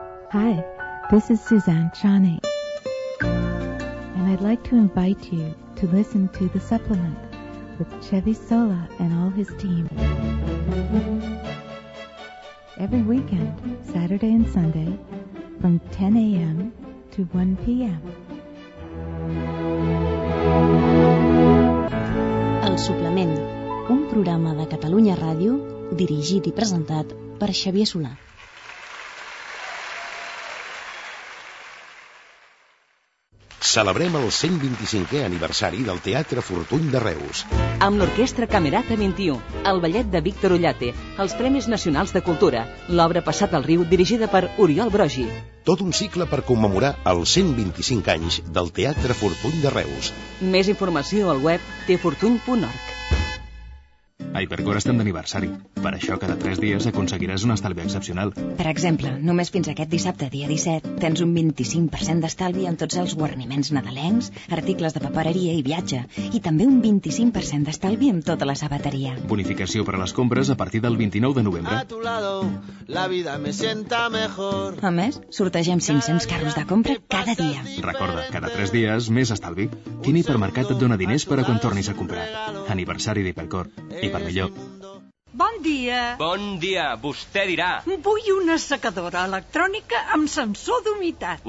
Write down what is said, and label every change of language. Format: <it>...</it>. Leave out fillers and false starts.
<en>Hi, this is Suzanne Chani. And I'd like to invite you to listen to The Supplement with Chevy Sola and all his team. Every weekend, Saturday and Sunday, from 10 a.m. to 1 p.m.</en> <ca>El Suplement, un programa de Catalunya Ràdio dirigit i presentat per Xavier Solà. Celebrem el 125è aniversari del Teatre Fortuny de Reus. Amb l'Orquestra Camerata 21, el ballet de Víctor Ullate, els Premis Nacionals de Cultura, l'obra Passat al Riu, dirigida per Oriol Brogi. Tot un cicle per commemorar els 125 anys del Teatre Fortuny de Reus. Més informació al web tefortuny.org. Hipercor estem d'aniversari. Per això cada 3 dies aconseguiràs un estalvi excepcional. Per exemple, només fins aquest dissabte, dia 17, tens un 25% d'estalvi en tots els guarniments nadalencs, articles de papereria i viatge, i també un 25% d'estalvi en tota la sabateria. Bonificació per a les compres a partir del 29 de novembre.</ca> <es>A tu lado, la vida me sienta mejor.</es> <ca>A més, sortegem 500 carros de compra cada dia. Recorda, cada 3 dies, més estalvi. Quin hipermercat et dona diners per a quan tornis a comprar? Aniversari d'Hipercor. I per millor. Bon dia. Bon dia, vostè dirà. Vull una assecadora electrònica amb sensor d'humitat.</ca>